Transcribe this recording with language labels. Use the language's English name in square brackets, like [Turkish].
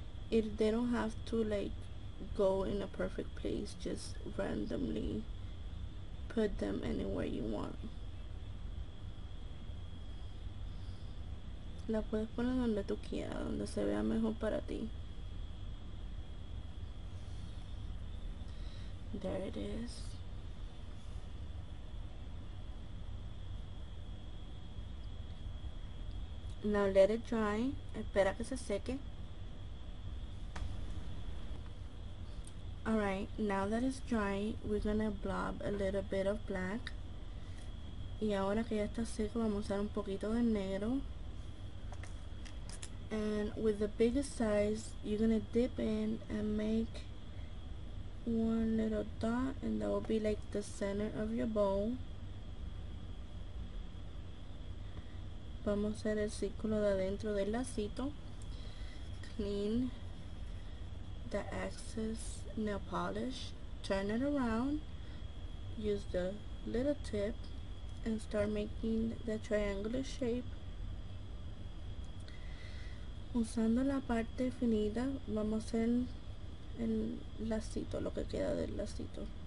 [English] They don't have to like go in a perfect place, just randomly put them anywhere you want. [Spanish] La puedes poner donde tú quieras, donde se vea mejor para ti. [English] There it is. Now let it dry, [Spanish] espera que se seque. [English] Alright, now that it's dry, we're gonna blob a little bit of black. [Spanish] Y ahora que ya está seco, vamos a usar un poquito de negro. [English] And with the biggest size, you're gonna dip in and make one little dot, and that will be like the center of your bowl. [Spanish] Vamos a hacer el círculo de adentro del lacito. Clean [English] the excess nail polish, turn it around, use the little tip, and start making the triangular shape. [Spanish] Usando la parte finita, vamos a hacer el lacito, lo que queda del lacito.